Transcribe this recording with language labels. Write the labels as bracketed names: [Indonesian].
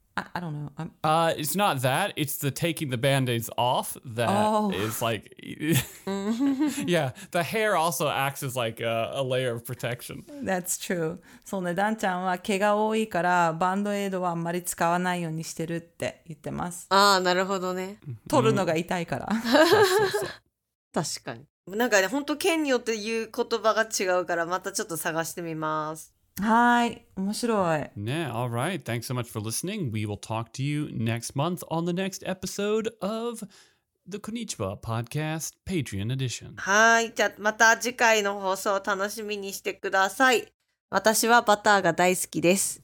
[English] I don't know、 It's not that, it's the taking the band-aids off that、is like yeah, the hair also acts as like a layer of protection. That's true. [Japanese] そうね、ダンちゃんは毛が多いからバンドエイドはあんまり使わないようにしてるって言ってます。ああ、なるほどね。取るのが痛いから。そうそうそう。確かに。なんかね、本当県によって言う言葉が違うからまたちょっと探してみます。はい、面白い。 [English] ね、all right. Thanks so much for listening. We will talk to you next month on the next episode of... The Konnichiwa Podcast Patreon Edition. [Japanese] はい、じゃあまた次回の放送を楽しみにしてください。私はバターが大好きです。